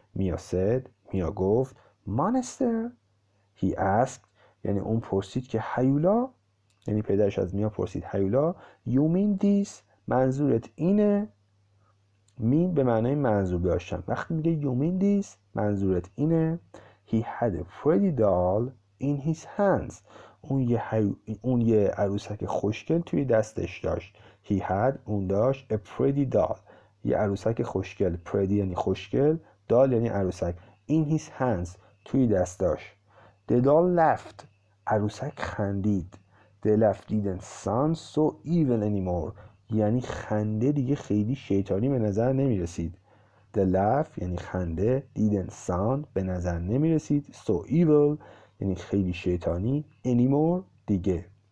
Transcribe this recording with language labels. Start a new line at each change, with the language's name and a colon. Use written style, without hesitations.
Persian: میا said میا گفت. مانستر هی asked یعنی اون پرسید که هیولا، یعنی پدرش از میا پرسید هیولا
English: you mean this
Persian: منظورت اینه. mean به معنی منظور داشتن. وقتی میگه
English: you mean this
Persian: منظورت اینه.
English: he had a pretty doll in his hands
Persian: اون یه عروسک خوشگل توی دستش داشت.
English: he had
Persian: اون داشت
English: a pretty doll
Persian: یه عروسک خوشگل. pretty یعنی خوشگل، doll یعنی عروسک.
English: in his hands
Persian: توی دستاش.
English: the doll laughed
Persian: عروسک خندید.
English: the laugh didn't sound so evil anymore
Persian: یعنی خنده دیگه خیلی شیطانی به نظر نمی رسید.
English: the laugh
Persian: یعنی خنده
English: didn't sound
Persian: به نظر نمی رسید
English: so evil
Persian: یعنی خیلی شیطانی anymore دیگه.